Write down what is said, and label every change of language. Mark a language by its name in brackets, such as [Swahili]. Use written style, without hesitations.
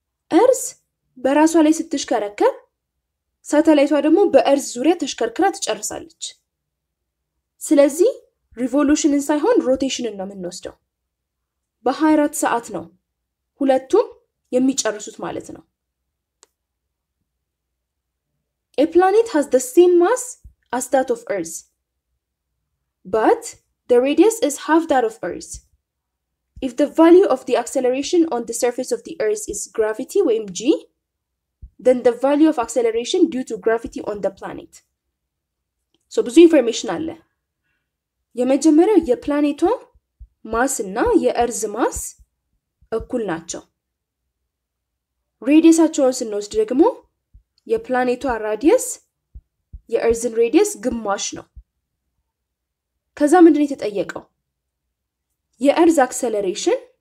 [Amharic] እርዝ በራሷ ላይ ስትሽከረከር ሳተላይቷ ደግሞ በእርዝ ዙሪያ ተሽከርክራ ትጨርሳለች ስለዚህ ሪቮሉሽንን ሳይሆን ሮቴሽንን ነው የምንወስደው በ24 ሰዓት ነው ሁለቱም የሚጨርሱት ማለት ነው [English] A planet has the same mass as that of Earth. But the radius is half that of Earth. If the value of the acceleration on the surface of the Earth is gravity, or mg, then the value of acceleration due to gravity on the planet. [Amharic] So, ብዙ information አለ. የመጀመሪያው የፕላኔቱ ማስ እና የእርዝ ማስ እኩል ናቸው. ሬዲየሳቸውን ስንወስድ ደግሞ የፕላኔቱ ራዲየስ የእርዝን ሬዲየስ ግማሽ ነው ከዛ ምንድን ነው የተጠየቀው የእርዝ አክሰለሬሽን